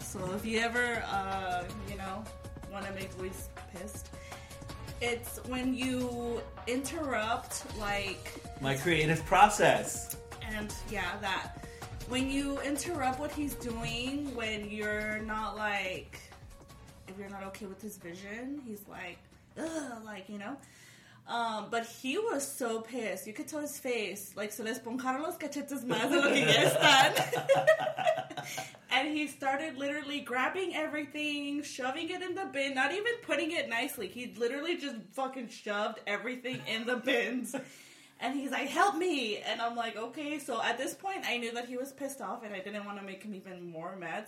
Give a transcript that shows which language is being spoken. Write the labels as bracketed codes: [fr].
[en] So if you ever, you know, want to make Luis pissed, it's when you interrupt, like... my creative process. And, yeah, that. When you interrupt what he's doing, when you're not, like... if you're not okay with his vision, he's like, ugh, like, you know? But he was so pissed. You could tell his face. Like, [es] se le esponjaron los cachetes más de lo que ya están. [en] And he started literally grabbing everything, shoving it in the bin, not even putting it nicely. He literally just fucking shoved everything in the bins. And he's like, help me. And I'm like, okay. So at this point, I knew that he was pissed off and I didn't want to make him even more mad.